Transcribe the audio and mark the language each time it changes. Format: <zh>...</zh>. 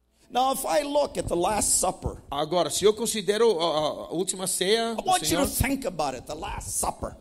<en>Now if I look at the Last Supper.</en> <pt>Agora, se eu considero a última ceia do Senhor.</pt> <en>I want you to think about it, the Last Supper.</en>